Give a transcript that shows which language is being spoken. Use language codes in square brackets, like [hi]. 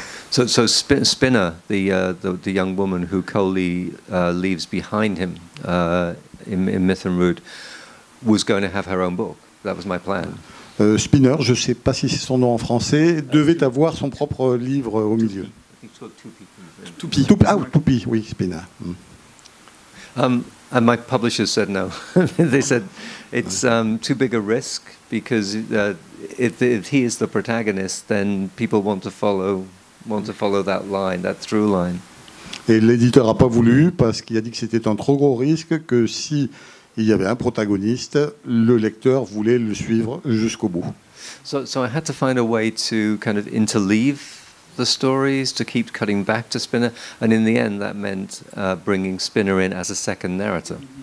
[en] So Spinner, the young woman who Coley leaves behind him in Myth and Root, was going to have her own book. That was my plan. [fr] Spinner, je ne sais pas si c'est son nom en français, devait avoir son propre livre au milieu. Toupi, oui, Spinner. [en] And my publishers said no. They said it's too big a risk because if he is the protagonist, then people want to follow that line, that through line. [fr] Et l'éditeur a pas voulu parce qu'il a dit que c'était un trop gros risque, que si il y avait un protagoniste, le lecteur voulait le suivre jusqu'au bout. [en] So I had to find a way to kind of interleave the stories, to keep cutting back to Spinner, and in the end that meant bringing Spinner in as a second narrator.